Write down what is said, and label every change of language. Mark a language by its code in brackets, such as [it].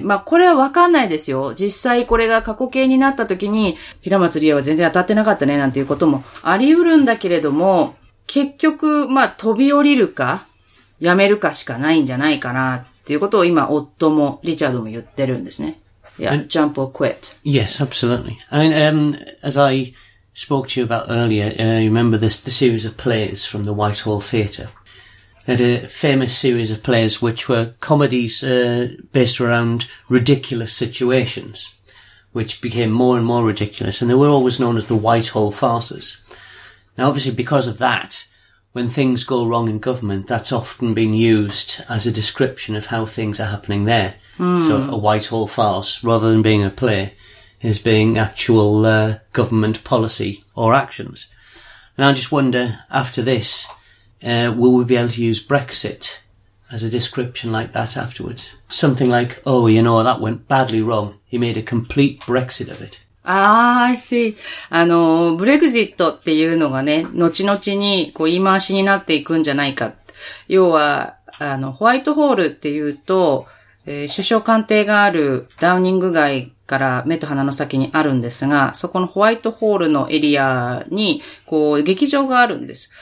[ja] まあ、これはわかんないですよ。実際これが過去形になった時に、平松理恵は全然当たってなかったね、なんていうこともあり得るんだけれども、結局、まあ、飛び降りるか、やめるかしかないんじゃないかな、っていうことを今、夫も、リチャードも言ってるんですね。 [en] Yeah, jump or quit. Yes, absolutely. I mean, as I spoke to you about earlier, you remember the series of plays from the Whitehall Theatre. They had a famous series of plays which were comedies based around ridiculous situations, which became more and more ridiculous, and they were always known as the Whitehall Farces. Now, obviously, because of that, when things go wrong in government, that's often been used as a description of how things are happening there. So a Whitehall farce, rather than being a play, is being actual government policy or actions. And I just wonder, after this, will we be able to use Brexit as a description like that afterwards? Something like, oh, you know, that went badly wrong. He made a complete Brexit of it. Ah, I see. [ja] ブレグジットっていうのがね、後々にこう言い回しになっていくんじゃないか。要は、ホワイトホールっていうと、首相官邸があるダウニング街から目と鼻の先にあるんですが、そこのホワイトホールのエリアに、こう、劇場があるんです。